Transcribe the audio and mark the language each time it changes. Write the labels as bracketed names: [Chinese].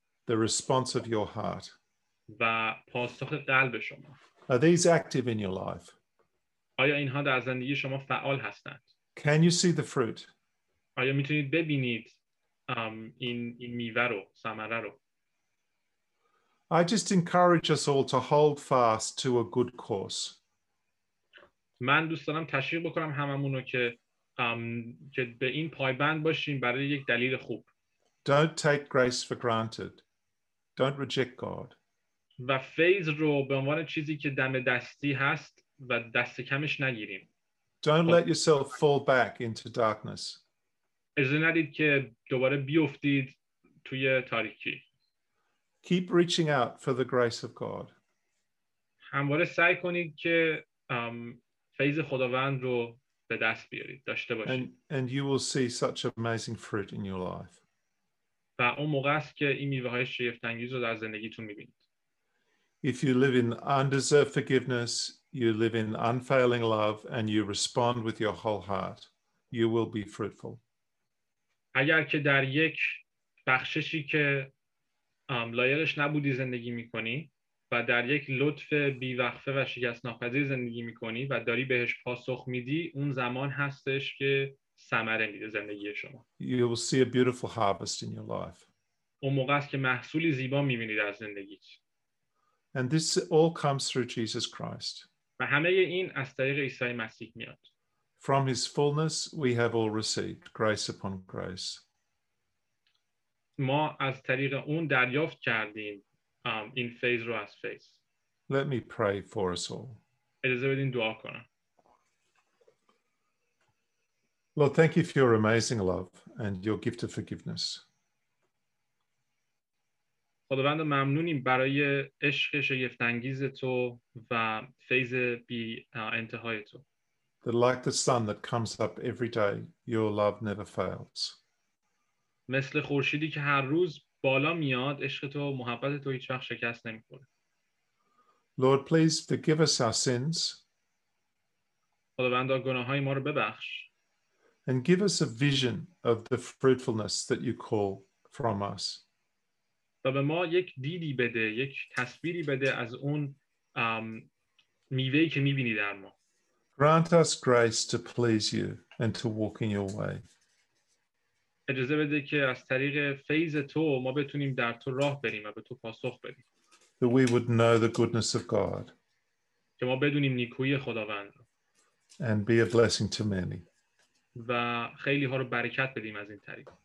[English] The response of your heart. [Persian] و پاسخ قلب شما. [English] Are these active in your life? [Persian] آیا اینها در زندگی شما فعال هستند؟ [English] Can you see the fruit? [Persian] آیا میتونید ببینید این میوه رو، ثمره رو؟ [English] I just encourage us all to hold fast to a good course. [Persian] من دوست دارم تشویق بکنم هممون رو که به این پایبند باشیم برای یک دلیل خوب. [English] Don't take grace for granted. Don't reject God. [Persian] و فیض رو به عنوان چیزی که دم دستی هست و دست کمش نگیریم. [English] Don't let yourself fall back into darkness. [Persian] اجازه ندید که دوباره بیفتید توی تاریکی. [English] Keep reaching out for the grace of God. [Persian] همواره سعی کنید که فیض خداوند رو به دست بیارید، داشته باشید. [English] And you will see such amazing fruit in your life. [Persian] و اون موقع است که این میوه های شگفت انگیز رو در زندگیتون میبینید. [English] If you live in undeserved forgiveness, you live in unfailing love and you respond with your whole heart, you will be fruitful. [Persian] اگر که در یک بخششی که لایقش نبودی زندگی میکنی و در یک لطف بیوقفه و شکست ناپذیر زندگی میکنی و داری بهش پاسخ میدی، اون زمان هستش که ثمره میده زندگی شما. [English] You will see a beautiful harvest in your life. [Persian] اون موقع است که محصولی زیبا میبینی در زندگیت. [English] And this all comes through Jesus Christ. [Persian] و همه این از طریق عیسی مسیح میاد. [English] From his fullness we have all received grace upon grace. [Persian] ما از طریق اون دریافت کردیم این فیض رو از فیض. [English] Let me pray for us all. [Persian] اجازه بدین دعا کنم. [English] Lord, thank you for your amazing love and your gift of forgiveness. [Persian] خداوند ممنونیم برای عشق شگفت‌انگیز تو و فیض بی انتهای تو. [English] That like the sun that comes up every day, your love never fails. [Persian] مثل خورشیدی که هر روز بالا میاد، عشق تو، محبت تو هیچ وقت شکست نمی‌خوره. [English] Lord, please forgive us our sins. [Persian] خداوند گناه‌های ما رو ببخش. [English] And give us a vision of the fruitfulness that you call from us. [Persian] و به ما یک دیدی بده، یک تصویری بده از اون میوه‌ای که می‌بینی در ما. [English] Grant us grace to please you and to walk in your way. [Persian] اجازه بده که از طریق فیض تو ما بتونیم در تو راه بریم و به تو پاسخ بدیم. [English] That we would know the goodness of God. [Persian] که ما بدونیم نیکویی خداوند. [English] And be a blessing to many. [Persian] و خیلی ها رو برکت بدیم از این طریق.